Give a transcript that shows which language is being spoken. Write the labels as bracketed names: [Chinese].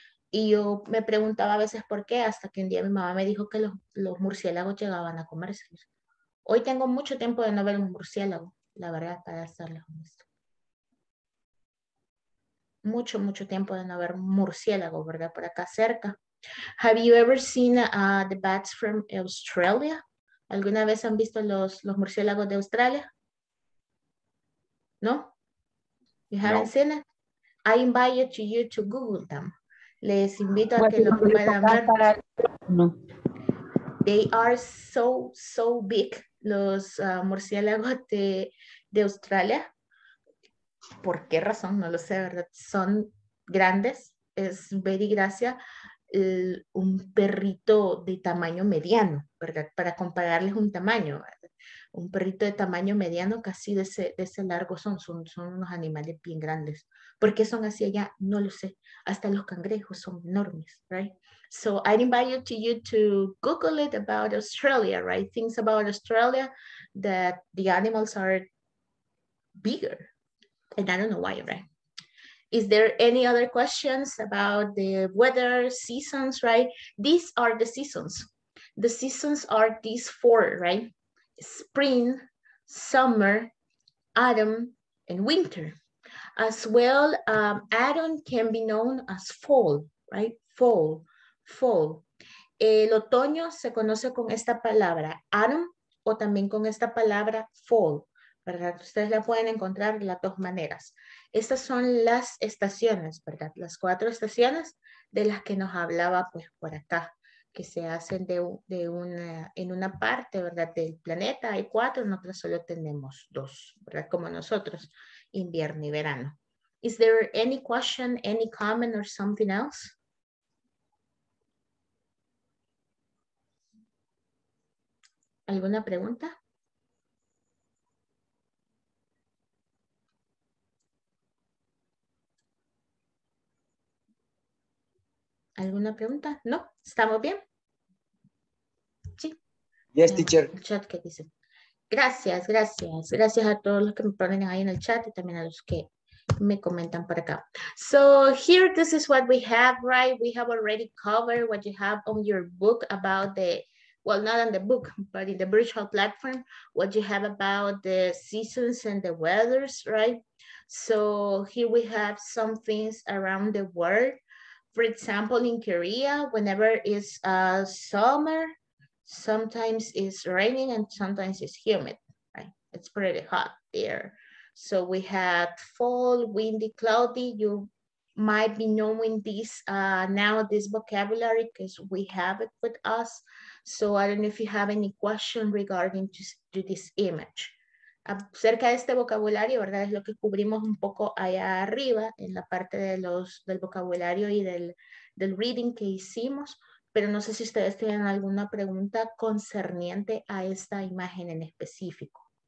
[Spanish] Y yo me preguntaba a veces por qué, hasta que un día mi mamá me dijo que los murciélagos llegaban a comérselos. Hoy tengo mucho tiempo de no ver un murciélago, la verdad, para estarles honesto. Mucho, mucho tiempo de no ver murciélago, ¿verdad? Por acá cerca. [English] Have you ever seen the bats from Australia? [Spanish] ¿Alguna vez han visto los murciélagos de Australia? [English] ¿No? You haven't seen it? I invite you to Google them. [Spanish] Les invito a que lo puedan ver. No. [English] They are so, so big, [Spanish] los murciélagos de Australia. ¿Por qué razón? No lo sé, ¿verdad? Son grandes. Es very gracia un perrito de tamaño mediano, ¿verdad? Para compararles un tamaño, ¿verdad? Un perrito de tamaño mediano casi de ese largo son unos animales bien grandes. ¿Por qué son así allá? No lo sé. Hasta los cangrejos son enormes, right? [English] So I invite you to Google it about Australia, right? Things about Australia that the animals are bigger. And I don't know why, right? Is there any other questions about the weather, seasons, right? These are the seasons. The seasons are these four, right? Spring, summer, autumn, and winter. As well, autumn can be known as fall, right? Fall, fall. [Spanish] El otoño se conoce con esta palabra, autumn, o también con esta palabra, fall. ¿Verdad? Ustedes la pueden encontrar de las dos maneras. Estas son las estaciones, ¿verdad? Las cuatro estaciones de las que nos hablaba pues por acá, que se hacen en una parte, ¿verdad? Del planeta hay cuatro, nosotros solo tenemos dos, ¿verdad? Como nosotros, invierno y verano. [English] Is there any question, any comment or something else? [Spanish] ¿Alguna pregunta? ¿Alguna pregunta? ¿No? ¿Estamos bien? Sí. [English] Yes, teacher. [Spanish] El chat que dice. Gracias, gracias. Gracias a todos los que me ponen ahí en el chat y también a los que me comentan por acá. [English] So here, this is what we have, right? We have already covered what you have on your book about not on the book, but in the virtual platform, what you have about the seasons and the weathers, right? So here we have some things around the world. For example, in Korea, whenever it's summer, sometimes it's raining and sometimes it's humid, right? It's pretty hot there. So we have fall, windy, cloudy. You might be knowing this now, this vocabulary, because we have it with us. So I don't know if you have any question regarding to this image. [Spanish] Acerca de este vocabulario, ¿verdad? Es lo que cubrimos un poco allá arriba en la parte de los, del vocabulario y del, del reading que hicimos. Pero no sé si ustedes tienen alguna pregunta concerniente a esta imagen en específico.